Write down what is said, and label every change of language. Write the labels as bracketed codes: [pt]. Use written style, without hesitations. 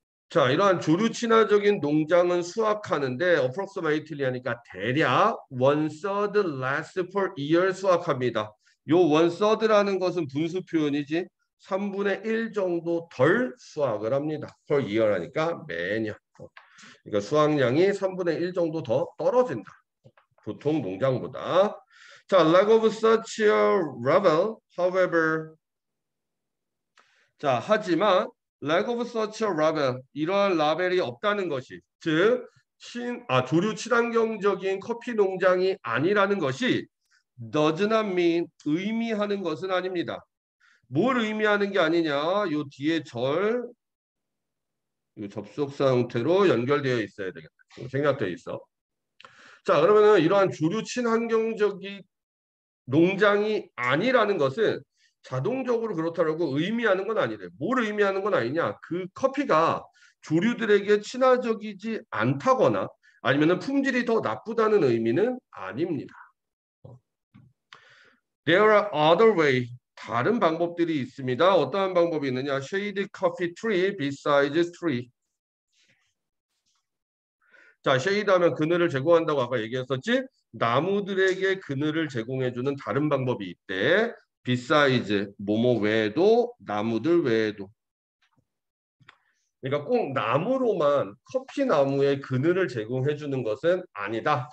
[ko] 자, 이러한 조류 친화적인 농장은 수확하는데 [en] approximately [ko] 하니까 대략 [en] one third less per year [ko] 수확합니다. 요 [en] one third [ko] 라는 것은 분수 표현이지 3분의 1 정도 덜 수확을 합니다. [en] per year [ko] 하니까 매년. 그러니까 수확량이 3분의 1 정도 더 떨어진다. 보통 농장보다. [en] 자, lack of such a revel, however. [ko] 자, 하지만 [en] lack of such a revel, [ko] 이러한 라벨이 없다는 것이, 즉 조류 친환경적인 커피 농장이 아니라는 것이 [en] does not mean, [ko] 의미하는 것은 아닙니다. 뭘 의미하는 게 아니냐? 요 뒤에 절, 요 접속사 형태로 연결되어 있어야 되겠다. 생략되어 있어. 자, 그러면은 이러한 조류 친환경적인 농장이 아니라는 것은 자동적으로 그렇다라고 의미하는 건 아니래. 뭘 의미하는 건 아니냐? 그 커피가 조류들에게 친화적이지 않다거나 아니면은 품질이 더 나쁘다는 의미는 아닙니다. [en] There are other ways. [ko] 다른 방법들이 있습니다. 어떠한 방법이 있느냐? [en] Shade coffee tree besides tree. [ko] 자, shade 하면 그늘을 제공한다고 아까 얘기했었지? 나무들에게 그늘을 제공해주는 다른 방법이 있대. Besides, 뭐뭐 외에도, 나무들 외에도. 그러니까 꼭 나무로만 커피나무에 그늘을 제공해주는 것은 아니다.